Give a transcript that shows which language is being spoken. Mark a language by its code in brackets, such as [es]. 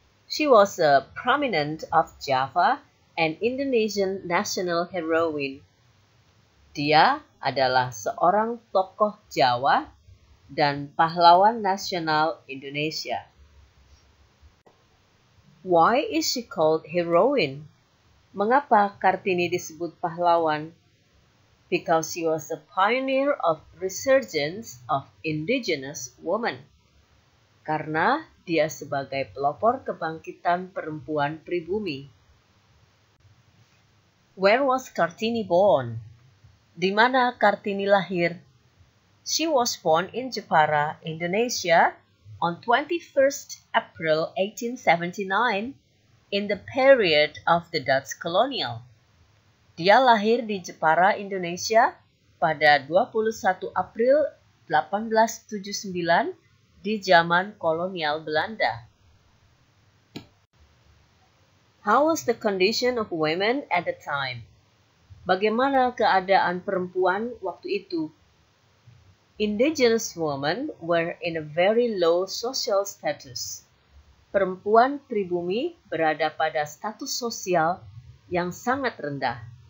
[en] She was a prominent of Java and Indonesian national heroine. [id] Dia adalah seorang tokoh Jawa dan pahlawan nasional Indonesia. [en] Why is she called heroine? [id] Mengapa Kartini disebut pahlawan? [en] Because she was a pioneer of resurgence of indigenous women. [id] Karena dia sebagai pelopor kebangkitan perempuan pribumi. [en] Where was Kartini born? [id] Di mana Kartini lahir? [en] She was born in Jepara, Indonesia, on 21st April 1879, in the period of the Dutch colonial. [id] Dia lahir di Jepara, Indonesia, pada 21 April 1879, di zaman kolonial Belanda. [en] How was the condition of women at the time? [id] Bagaimana keadaan perempuan waktu itu? [en] Indigenous women were in a very low social status. [id] Perempuan pribumi berada pada status sosial yang sangat rendah.